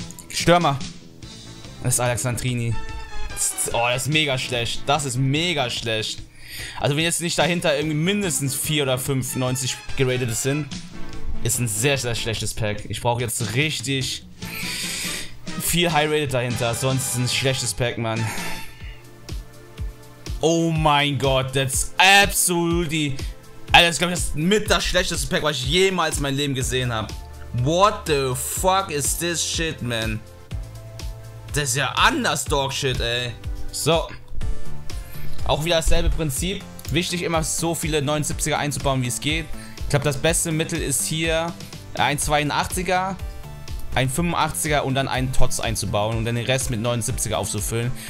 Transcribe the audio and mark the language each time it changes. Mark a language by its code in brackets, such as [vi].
[de] Stürmer. Das ist Alexandrini. Oh, das ist mega schlecht. Das ist mega schlecht. Also wenn jetzt nicht dahinter irgendwie mindestens 4 oder 5 90 geratet sind, ist ein sehr, sehr schlechtes Pack. Ich brauche jetzt richtig viel High Rated dahinter, sonst ist ein schlechtes Pack, Mann. Oh mein Gott, [en] that's absolutely... [de] Alter, das ist, glaube ich, mit das schlechteste Pack, was ich jemals in meinem Leben gesehen habe. [en] What the fuck is this shit, man? [de] Das ist ja anders, Dogshit, ey. So. Auch wieder dasselbe Prinzip. Wichtig, immer so viele 79er einzubauen, wie es geht. Ich glaube, das beste Mittel ist hier ein 82er, ein 85er und dann einen Tots einzubauen und dann den Rest mit 79er aufzufüllen.